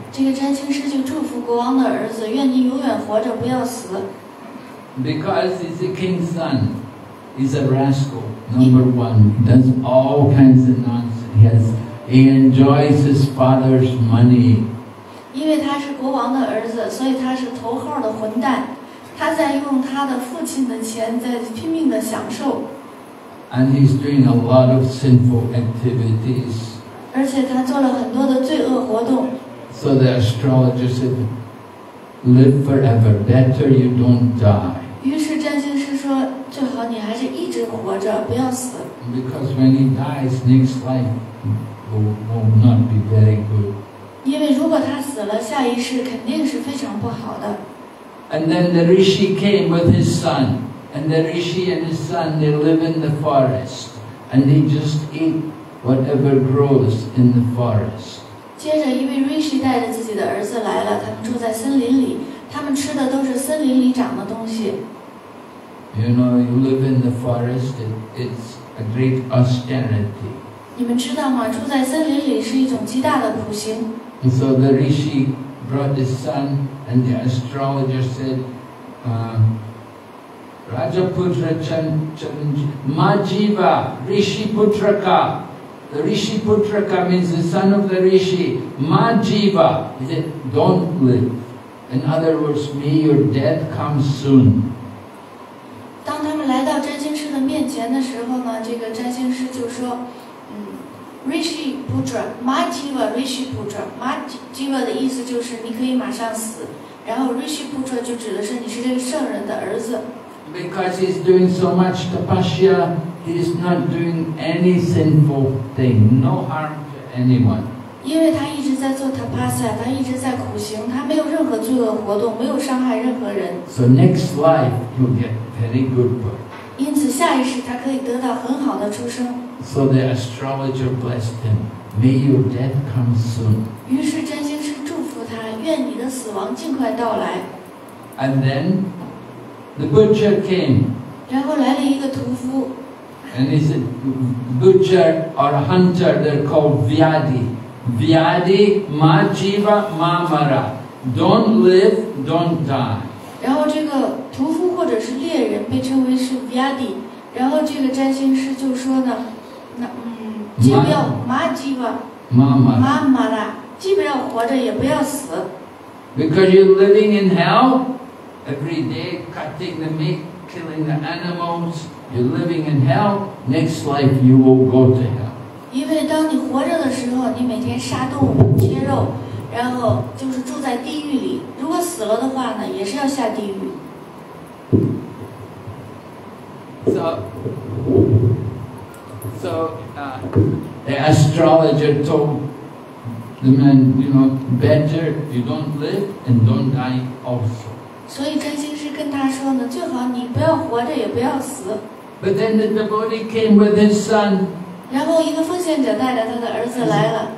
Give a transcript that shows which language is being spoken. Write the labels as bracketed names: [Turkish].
[Chinese] 这个占星师就祝福国王的儿子，愿你永远活着，不要死。 [English] Because he's a king's son, he's a rascal. Number one, does all kinds of nonsense. He enjoys his father's money. [Chinese] 因为他是国王的儿子，所以他是头号的混蛋。他在用他的父亲的钱，在拼命的享受。 [English] And he's doing a lot of sinful activities. [Chinese] 而且他做了很多的罪恶活动。 [English] So the astrologer said, "Live forever. Better you don't die." [Chinese] 于是占星师说，最好你还是一直活着，不要死。 [English] Because when he dies, next life will not be very good. [Chinese] 因为如果他死了，下一世肯定是非常不好的。 [English] And then the rishi came with his son. And the rishi and his son, they live in the forest, and they just eat whatever grows in the forest. [Chinese] 接着，一位 rishi 带着自己的儿子来了，他们住在森林里，他们吃的都是森林里长的东西。 [English] You know, you live in the forest, it's a great austerity. [Chinese] 你们知道吗？住在森林里是一种极大的苦行。 [English] And so the rishi brought his son, and the astrologer said, [Sanskrit] Rajaputra Majiva Rishiputraka. [English] The Rishiputraka means the son of the Rishi. Majiva. He said, don't live. In other words, may your death come soon. [Chinese] 当他们来到占星师的面前的时候呢，这个占星师就说， [Sanskrit] Rishiputra Majiva Rishiputra Majiva [Chinese] 的意思就是你可以马上死，然后 Rishiputra 就指的是你是这个圣人的儿子。 [English] Because he's doing so much tapasya, he's not doing any sinful thing, no harm to anyone. [Chinese] 因为他一直在做 tapasya, 他一直在苦行，他没有任何罪恶活动，没有伤害任何人。 [English] So next life, he'll get very good birth. [Chinese] 因此下一世他可以得到很好的出生。 [English] So the astrologer blessed him, may your death come soon. [Chinese] 于是占星师祝福他，愿你的死亡尽快到来。 [English] And then,The butcher came. [Chinese] 然后来了一个屠夫。 [English] And he said, butcher or hunter, they're called Vyadi. [Sanskrit] Vyadi, Majiva, Mamara. [English] Don't live, don't die. [Chinese] 然后这个屠夫或者是猎人被称为是 Vyadi. 然后这个占星师就说呢，那既不要 Majiva, [Sanskrit] Mamara. [Chinese] 既不要活着也不要死。 [English] Because you're living in hell,Every day, cutting the meat, killing the animals, you're living in hell, next life you will go to hell. [Chinese] 因为当你活着的时候，你每天杀动物、切肉，然后就是住在地狱里。如果死了的话呢，也是要下地狱。 [English] So, the astrologer told the man, you know, better you don't live and don't die also. [Chinese] 所以占星师跟他说呢，最好你不要活着，也不要死。 [English] But then the devotee came with his son. [Chinese] 然后一个奉献者带着他的儿子来了。